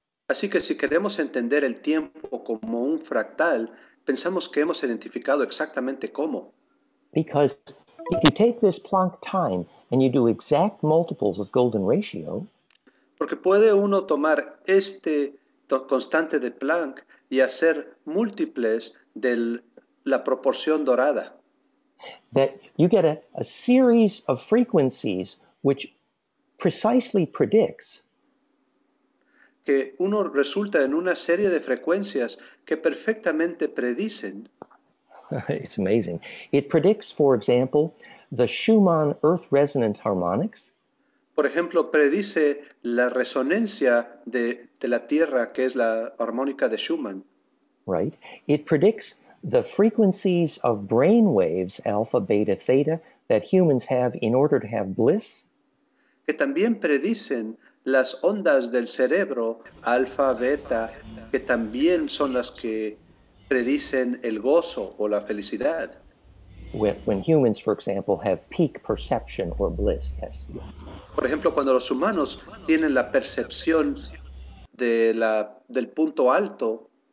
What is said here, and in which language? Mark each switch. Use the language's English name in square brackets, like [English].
[Spanish] Así que si queremos entender el tiempo como un fractal, pensamos que hemos identificado exactamente cómo. [English] Because if you take this Planck time and you do exact multiples of golden ratio, [Spanish] porque puede uno tomar este constante de Planck y hacer múltiples de la proporción dorada. [English] That you get a series of frequencies which precisely predicts. [Spanish] Que uno resulta en una serie de frecuencias que perfectamente predicen. [English] It's amazing. It predicts, for example, the Schumann Earth Resonance Harmonics. [Spanish] Por ejemplo, predice la resonancia de la Tierra, que es la armónica de Schumann. [English] Right. It predicts the frequencies of brain waves, alpha, beta, theta, that humans have in order to have bliss. [Spanish] Que también predicen las ondas del cerebro, alfa, beta, que también son las que predicen el gozo o la felicidad. [English] When humans, for example, have peak perception or bliss, yes. [Spanish] Por ejemplo, cuando los humanos tienen la percepción de la del punto alto.